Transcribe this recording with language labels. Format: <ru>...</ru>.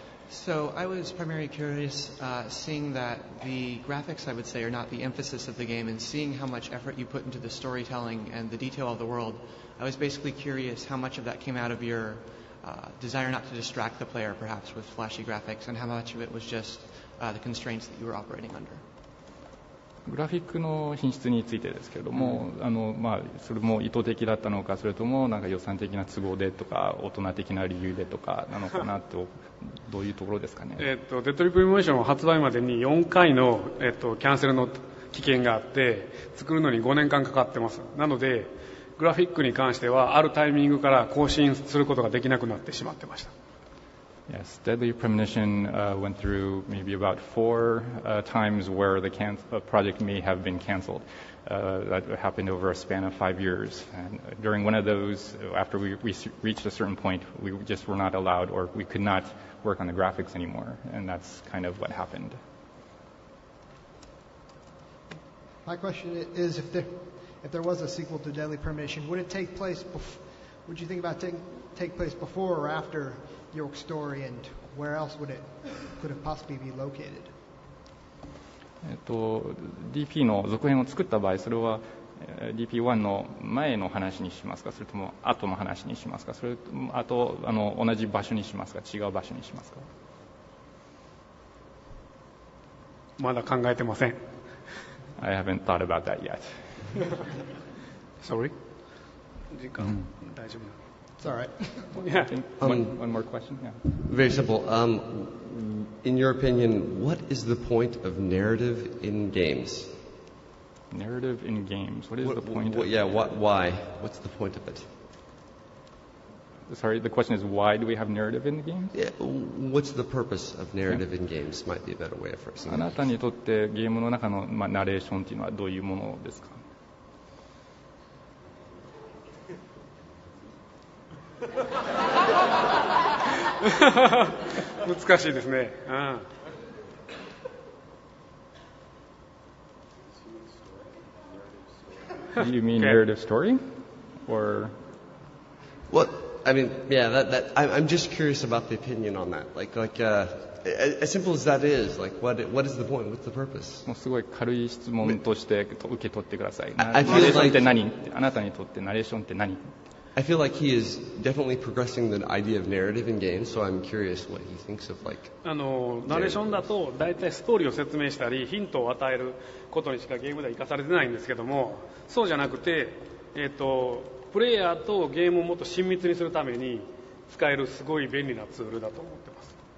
<en>So I was primarily curious, seeing that the graphics, I would say, are not the emphasis of the game, and seeing how much effort you put into the storytelling and the detail of the world, I was basically curious how much of that came out of your desire not to distract the player, perhaps, with flashy graphics, and how much of it was just the constraints that you were operating under.</en> <ja>グラフィックの品質についてですけれども、それも意図的だったのか、それともなんか予算的な都合でとか、大人的な理由でとかなのかなと、どういうところですかね。デッドリプリモーションは発売までに4回の、キャンセルの危険があって、作るのに5年間かかってます。なので、グラフィックに関しては、あるタイミングから更新することができなくなってしまってました。</ja> <en>Yes, Deadly Premonition went through maybe about four times where the project may have been canceled. That happened over a span of 5 years. And during one of those, after we reached a certain point, we just were not allowed or we could not work on the graphics anymore. And that's kind of what happened. My question is, if there was a sequel to Deadly Premonition, would it take place before, would you think about take place before or after York story, and where else would it could have possibly be located?</en> <ja>DP の続編を作った場合、それは DP1 の前の話にしますか、それとも後の話にしますか、それとあと同じ場所にしますか、違う場所にしますか。まだ考えてません。</ja> <en>I haven't thought about that yet. Sorry.</en> <ja>時間、大丈夫。</ja> <en>It's all right. one more question. Yeah. Very simple. In your opinion, what is the point of narrative in games? Narrative in games. What is the point? Why? What's the point of it? Sorry, the question is, why do we have narrative in the games? Yeah, what's the purpose of narrative in games? Might be a better way of phrasing it.</en> <ja>あなたにとってゲームの中のまあナレーションというのはどういうものですか？難しいですね。</ja> <en>Do you mean narrative story, or? Well, I mean, yeah. That I'm just curious about the opinion on that. As simple as that is, like, what is the point? What's the purpose?</en> <ja>もうすごい軽い質問として受け取ってください。</ja> <en>I feel like</en> <ja>あなたにとってナレーションって何？</ja> <en>I feel like he is definitely progressing the idea of narrative in games, so I'm curious what he thinks of like.</en> <ja>ナレーションだと大体ストーリーを説明したりヒントを与えることにしかゲームでは生かされてないんですけども、そうじゃなくて、プレイヤーとゲームをもっと親密にするために使えるすごい便利なツールだと思ってます。</ja>